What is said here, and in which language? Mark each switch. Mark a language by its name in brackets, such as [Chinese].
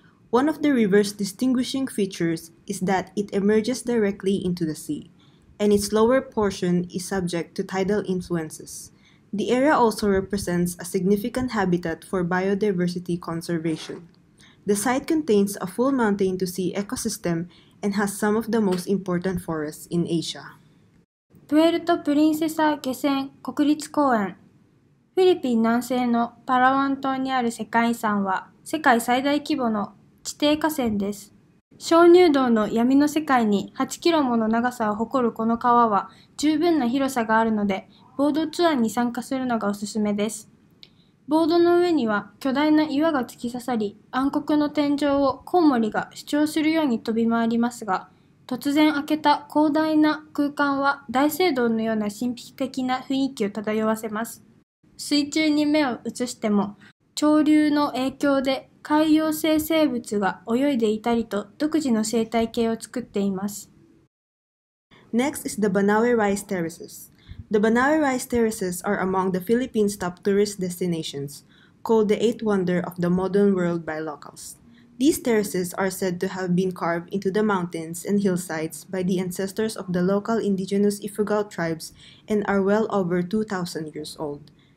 [English] One of the river's distinguishing features is that it emerges directly into the sea, and its lower portion is subject to tidal influences. The area also represents a significant habitat for biodiversity conservation. The site contains a full mountain-to-sea ecosystem and has some of the most important forests in Asia. [Japanese] プエルト・プリンセサ・ゲセン国立公園。フィリピン南西のパラワン島にある世界遺産は世界最大規模の地底河川です。鍾乳洞の闇の世界に8キロもの長さを誇るこの川は十分な広さがあるので、ボードツアーに参加するのがおすすめです。ボードの上には巨大な岩が突き刺さり、暗黒の天井をコウモリが主張するように飛び回りますが、突然開けた広大な空間は大聖堂のような神秘的な雰囲気を漂わせます。水中に目を移しても、潮流の影響で海洋性生物が泳いでいたりと独自の生態系を作っています。 [English] Next is the Banawe Rise Terraces. The Banawe Rice Terraces are among the Philippines' top tourist destinations, called the Eighth Wonder of the Modern World by locals. These terraces are said to have been carved into the mountains and hillsides by the ancestors of the local indigenous Ifugao tribes and are well over 2,000 years old.